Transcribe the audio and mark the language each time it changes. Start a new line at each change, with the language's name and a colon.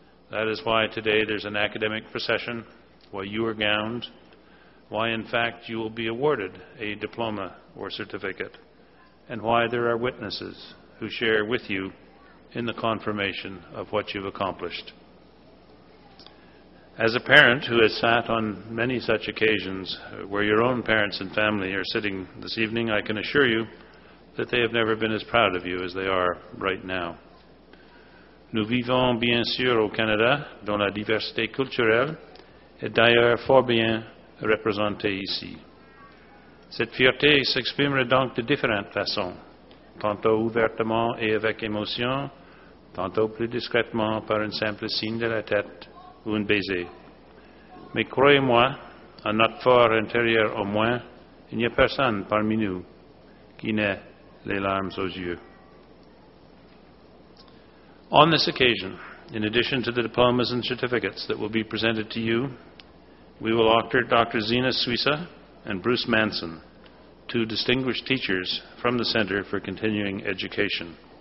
English: That is why today there's an academic procession, why you are gowned, why, in fact, you will be awarded a diploma or certificate, and why there are witnesses who share with you in the confirmation of what you've accomplished. As a parent who has sat on many such occasions where your own parents and family are sitting this evening, I can assure you that they have never been as proud of you as they are right now.
French: Nous vivons bien sûr au Canada, dont la diversité culturelle est d'ailleurs fort bien représentée ici. Cette fierté s'exprimera donc de différentes façons, tantôt ouvertement et avec émotion, tantôt plus discrètement par un simple signe de la tête ou un baiser. Mais croyez-moi, en notre fort intérieur au moins, il n'y a personne parmi nous qui n'ait les larmes aux yeux.
English: On this occasion, in addition to the diplomas and certificates that will be presented to you, we will honor Dr. Zena Suissa and Bruce Manson, two distinguished teachers from the Center for Continuing Education.